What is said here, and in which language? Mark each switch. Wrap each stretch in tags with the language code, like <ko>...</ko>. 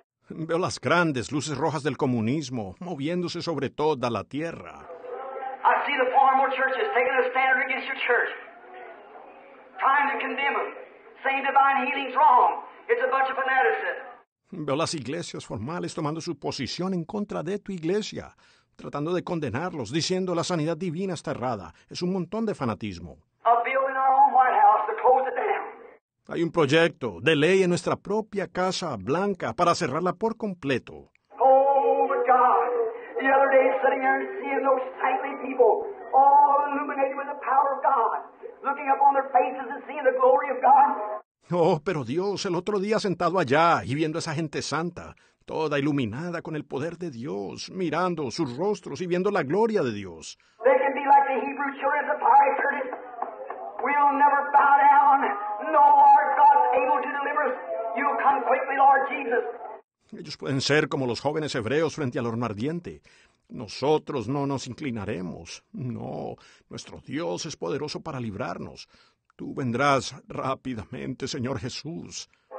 <es>Veo las grandes luces rojas del comunismo moviéndose sobre toda la tierra.</es> <en>I see the far more churches taking a stand against your church, trying to condemn them, saying divine healing's wrong. It's a bunch of fanaticism.</en> <es>Veo las iglesias formales tomando su posición en contra de tu iglesia, tratando de condenarlos, diciendo la sanidad divina está errada. Es un montón de fanatismo.</es> <en>A bill in our own White House to close it down.</en> <es>Hay un proyecto de ley en nuestra propia Casa Blanca para cerrarla por completo.</es> <en>Oh, my God. The other day, sitting there and seeing those saintly people, all illuminated with the power of God, looking up on their faces and seeing the glory of God.</en> <es>Oh, pero Dios, el otro día sentado allá y viendo a esa gente santa, toda iluminada con el poder de Dios, mirando sus rostros y viendo la gloria de Dios.</es> <en>They can be like the Hebrew children of the Pharisees. We'll never bow down. No, our God's able to deliver us. You'll come quickly, Lord Jesus.</en> <es>Ellos pueden ser como los jóvenes hebreos frente al horno ardiente. Nosotros no nos inclinaremos. No, nuestro Dios es poderoso para librarnos. Tú vendrás rápidamente, Señor Jesús.</es>